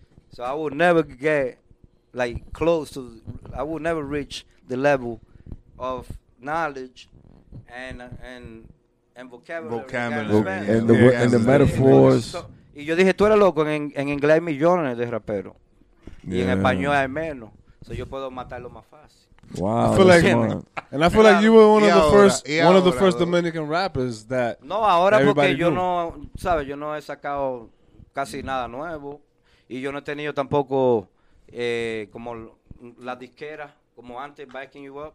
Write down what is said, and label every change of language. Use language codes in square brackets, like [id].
[en] So I would never get, like, close to... I would never reach the level of knowledge and vocabulary. And the metaphors. [es] Y yo dije, tú eres loco, en inglés hay millones de raperos. Y en español hay menos. So yo puedo matarlo más fácil. [en] Wow, I feel like, and I feel like you were one of the first Dominican rappers that. [es] No, ahora porque yo no, sabes, yo no he sacado casi nada nuevo, y yo no he tenido tampoco como la disquera como antes [en] backing you up.